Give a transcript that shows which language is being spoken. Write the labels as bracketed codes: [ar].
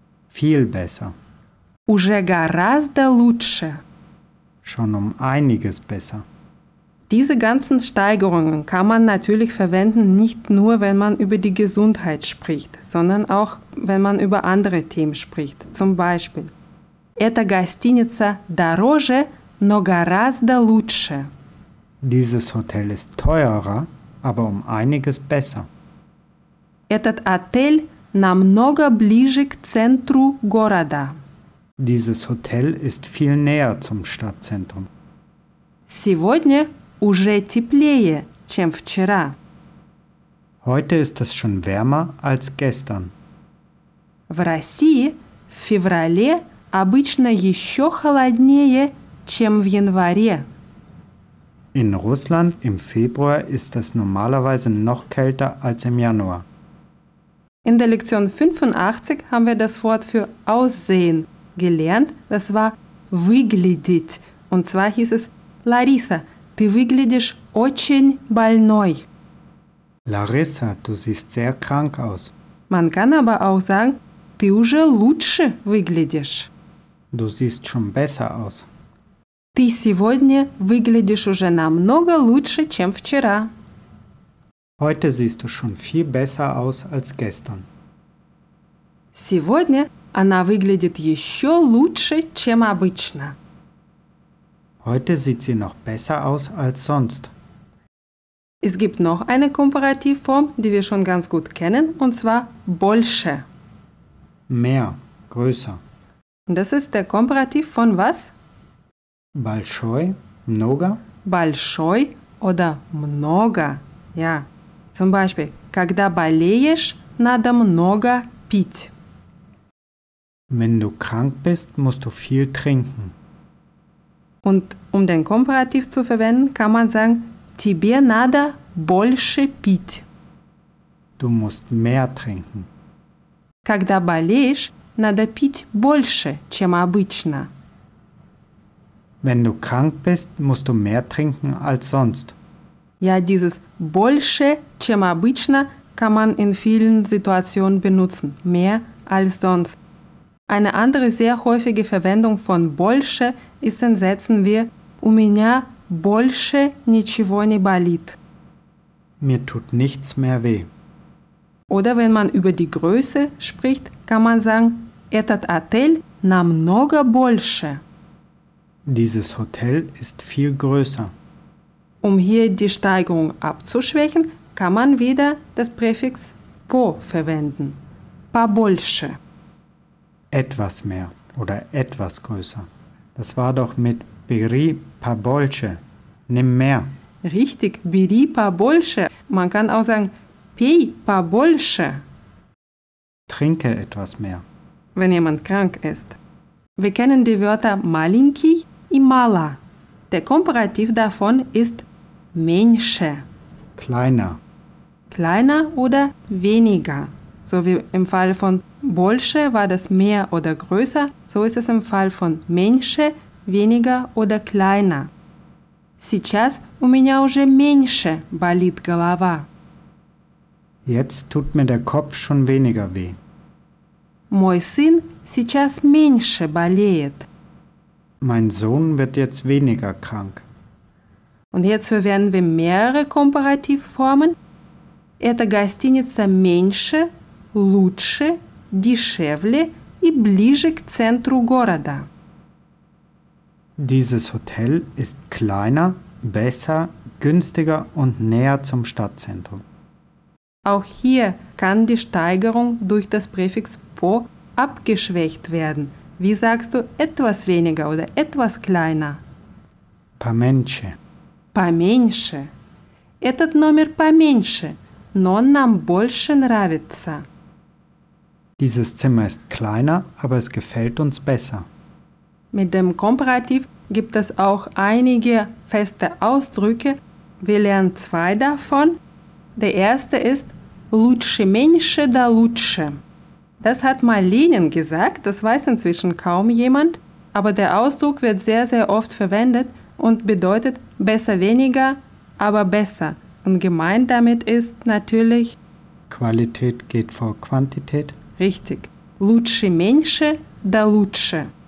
[de] Viel besser. [ru] Уже гораздо лучше. [de] Schon um einiges besser. Diese ganzen Steigerungen kann man natürlich verwenden, nicht nur, wenn man über die Gesundheit spricht, sondern auch, wenn man über andere Themen spricht. Zum Beispiel, [ru] эта гостиница дороже, но гораздо лучше. [de] Dieses Hotel ist teurer, aber um einiges besser. [ru] Этот отель намного ближе к центру города. [de] Dieses Hotel ist viel näher zum Stadtzentrum. [ru] Сегодня уже теплее, чем вчера. [de] Heute ist es schon wärmer als gestern. [ru] В России в феврале обычно еще холоднее, чем в январе. [de] In Russland im Februar ist es normalerweise noch kälter als im Januar. In der Lektion 85 haben wir das Wort für Aussehen gelernt. Das war [ru] выглядеть. [de] Und zwar hieß es: Larissa, [ru] ты выглядишь очень больной. [de] Larissa, du siehst sehr krank aus. Man kann aber auch sagen: [ru] ты уже лучше выглядишь. [de] Du siehst schon besser aus. [ru] Ты сегодня выглядишь уже намного лучше, чем вчера. [de] Heute siehst du schon viel besser aus als gestern. [ru] Сегодня она выглядит еще лучше, чем обычно. [de] Heute sieht sie noch besser aus als sonst. Es gibt noch eine Komparativform, die wir schon ganz gut kennen, und zwar [ru] больше. [de] Mehr, größer. Und das ist der Komparativ von was? [ru] Большой, много. Большой [de] oder [ru] много, [de] ja. Zum Beispiel, [ru] когда болеешь, надо много пить. [de] Wenn du krank bist, musst du viel trinken. Und um den Komparativ zu verwenden, kann man sagen, [ru] тебе надо больше пить. [de] Du musst mehr trinken. [ru] Когда болеешь, надо пить больше, чем обычно. [de] Wenn du krank bist, musst du mehr trinken als sonst. Ja, dieses [ru] больше, чем обычно, [de] kann man in vielen Situationen benutzen, mehr als sonst. Eine andere sehr häufige Verwendung von [ru] больше [de] ist in Sätzen wie [ru] у меня больше ничего не болит. [de] Mir tut nichts mehr weh. Oder wenn man über die Größe spricht, kann man sagen [ru] этот отель намного больше. [de] Dieses Hotel ist viel größer. Um hier die Steigerung abzuschwächen, kann man wieder das Präfix [ru] по [de] verwenden. [ru] Побольше. [de] Etwas mehr oder etwas größer. Das war doch mit [ru] «бери побольше», [de] nimm mehr. Richtig, [ru] «бери побольше». [de] Man kann auch sagen [ru] «пей побольше». [de] Trinke etwas mehr. Wenn jemand krank ist. Wir kennen die Wörter [ru] «маленький» [de] und [ru] «мало». [de] Der Komparativ davon ist [ru] «меньше». [de] Kleiner. Kleiner oder «weniger». So wie im Fall von [ru] больше [de] war das mehr oder größer, so ist es im Fall von [ru] меньше [de] weniger oder kleiner. [ru] Сейчас у меня уже меньше болит голова. [de] Jetzt tut mir der Kopf schon weniger weh. [ru] Мой сын сейчас меньше болеет. [de] Mein Sohn wird jetzt weniger krank. Und jetzt verwenden wir mehrere Komparativformen. [ru] Эта гостиница меньше, лучше, дешевле и ближе к центру города. [de] Dieses Hotel ist kleiner, besser, günstiger und näher zum Stadtzentrum. Auch hier kann die Steigerung durch das Präfix [ru] «по» [de] abgeschwächt werden. Wie sagst du «etwas weniger» oder «etwas kleiner»? [ru] «Поменьше». «Поменьше». Этот номер поменьше, но нам больше нравится. [de] Dieses Zimmer ist kleiner, aber es gefällt uns besser. Mit dem Komparativ gibt es auch einige feste Ausdrücke. Wir lernen zwei davon. Der erste ist [ru] «лучше меньше да лучше». [de] Das hat mal Lenin gesagt, das weiß inzwischen kaum jemand. Aber der Ausdruck wird sehr, sehr oft verwendet und bedeutet «besser weniger, aber besser». Und gemeint damit ist natürlich «Qualität geht vor Quantität». Richtig. [ru] Лучше меньше, да лучше.